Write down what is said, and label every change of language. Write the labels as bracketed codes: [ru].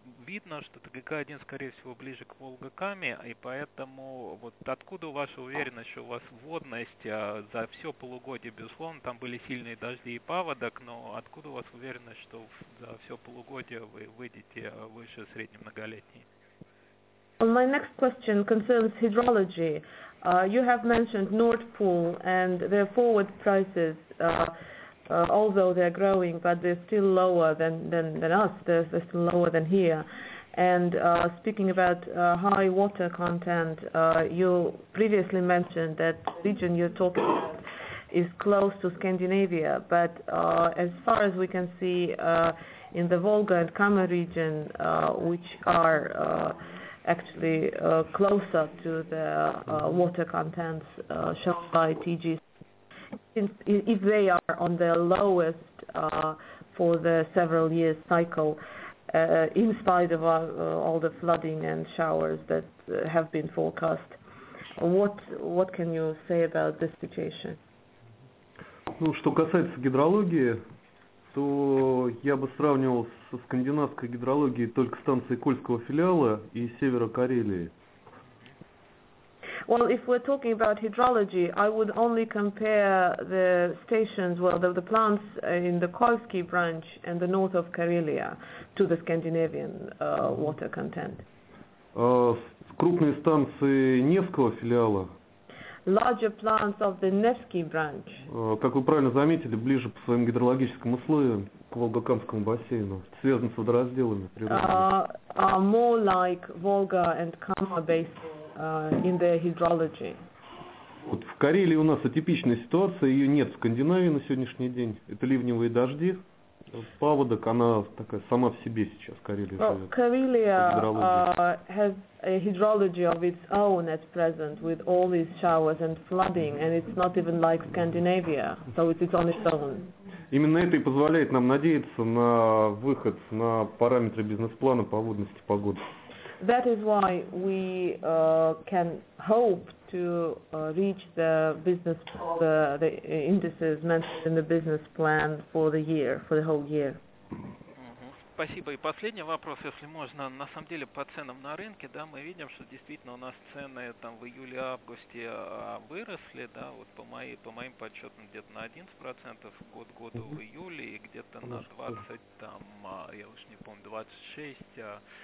[ru] видно, что ТГК-1, скорее всего, ближе к Волга-Каме, и поэтому вот откуда ваша уверенность, что у вас водность за все полугодие, безусловно, там были сильные дожди и паводок, но откуда у вас уверенность, что за все полугодие вы выйдете выше среднемноголетней? [en] Well, my next question concerns hydrology. You have mentioned Nord Pool and their forward prices, although they're growing, but they're still lower than us. They're still lower than here. And speaking about high water content, you previously mentioned that the region you're talking about is close to Scandinavia. But as far as we can see in the Volga and Kama region, which are actually closer to the water contents shown by TGC, if they are on the lowest for the several years cycle, in spite of all the flooding and showers that have been forecast, what can you say about this situation? [ru] Ну, что касается гидрологии, то я бы сравнивал со скандинавской гидрологией только станции Кольского филиала и Севера Карелии. [en] Well, if we're talking about hydrology, I would only compare the stations, well, the plants in the Kolski branch and the north of Karelia to the Scandinavian water content. [ru] Крупные станции Невского филиала. [en] Larger plants of the Nevsky branch. [ru] Как вы правильно заметили, ближе по своим гидрологическим условиям к Волгокамскому бассейну, связанным с водоразделами природы. [en] Are more like Volga and Kama basin. In their hydrology. [ru] Вот в Карелии у нас атипичная ситуация, ее нет в Скандинавии на сегодняшний день. Это ливневые дожди, паводок, она такая сама в себе сейчас, Карелия. [en] Well, Karelia has a hydrology of its own at present with all these showers and flooding, and it's not even like Scandinavia, so it's on its own. [ru] Именно это и позволяет нам надеяться на выход на параметры бизнес-плана по водности погоды. [en] That is why we can hope to reach the business the indices mentioned in the business plan for the year, for the whole year. [ru] Спасибо. И последний вопрос, если можно. На самом деле, по ценам на рынке, да, мы видим, что действительно у нас цены там в июле-августе выросли, да, вот по моим подсчетам где-то на 11% год-году в июле и где-то на 20, там, я уж не помню, 26%.